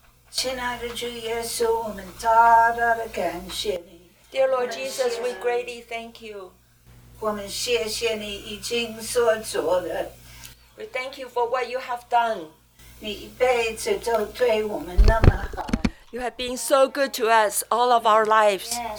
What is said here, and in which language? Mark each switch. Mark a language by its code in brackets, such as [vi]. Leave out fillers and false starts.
[zh] 亲爱的主耶稣，我们大大的感谢你。 [en] Dear Lord Jesus, we greatly thank you. [zh] 我们谢谢你已经所做的。 [en] We thank you for what you have done. [zh] 你一辈子都对我们那么好。 [en] You have been so good to us all of our lives.